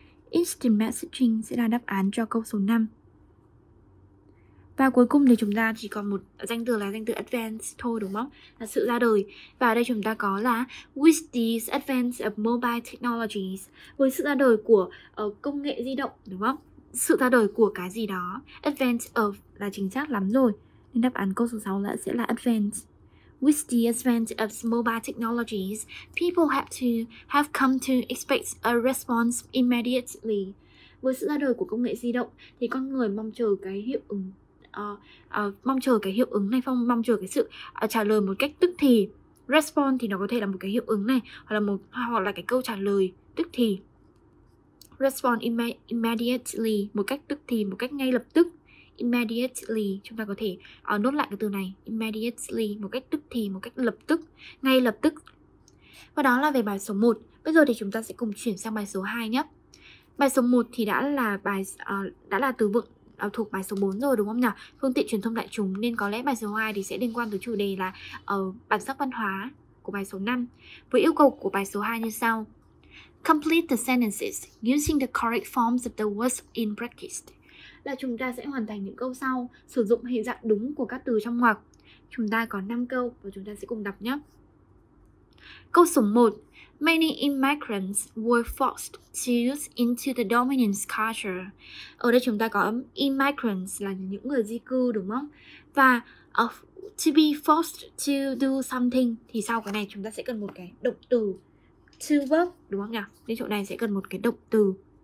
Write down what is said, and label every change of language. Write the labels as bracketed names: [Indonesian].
[Vietnamese] Instant messaging sẽ là đáp án cho câu số 5. Và cuối cùng thì chúng ta chỉ còn một danh từ là danh từ advance thôi, đúng không? Là sự ra đời. Và ở đây chúng ta có là [English] with the advance of mobile technologies. [Vietnamese] Với sự ra đời của công nghệ di động, đúng không? Sự ra đời của cái gì đó. Advance of là chính xác lắm rồi. Nên đáp án câu số 6 là sẽ là advance. [English] With the advance of mobile technologies, people have come to expect a response immediately. [Vietnamese] Với sự ra đời của công nghệ di động thì con người mong chờ cái hiệu ứng mong chờ cái sự trả lời một cách tức thì. Response thì nó có thể là một cái hiệu ứng này, hoặc là cái câu trả lời tức thì. [English] Respond immediately, [Vietnamese] một cách tức thì, một cách ngay lập tức. Immediately, chúng ta có thể nốt lại cái từ này. Immediately, một cách tức thì, một cách lập tức, ngay lập tức. Và đó là về bài số 1. Bây giờ thì chúng ta sẽ cùng chuyển sang bài số 2 nhé. Bài số 1 thì đã là từ vựng thuộc bài số 4 rồi, đúng không nhỉ? Phương tiện truyền thông đại chúng, nên có lẽ bài số 2 thì sẽ liên quan tới chủ đề là bản sắc văn hóa của bài số 5. Với yêu cầu của bài số 2 như sau. [English] Complete the sentences using the correct forms of the words in brackets. [Vietnamese] Là chúng ta sẽ hoàn thành những câu sau, sử dụng hình dạng đúng của các từ trong ngoặc. Chúng ta có 5 câu và chúng ta sẽ cùng đọc nhé. Câu số 1. [English] Many immigrants were forced to use into the dominant culture. [Vietnamese] Ở đây chúng ta có immigrants là những người di cư, đúng không? Và [English] to be forced to do something [Vietnamese] thì sau cái này chúng ta sẽ cần một cái động từ to verb, đúng không nhỉ? Nên chỗ này sẽ cần một cái động từ.